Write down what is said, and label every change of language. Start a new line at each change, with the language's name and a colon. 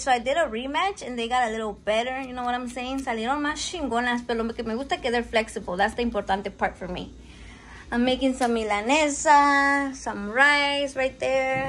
English: So I did a rematch and they got a little better. You know what I'm saying?
Spanish: Salieron más chingonas, pero me gusta que
English: they're flexible. That's the important part for me. I'm making some milanesa, some rice right there.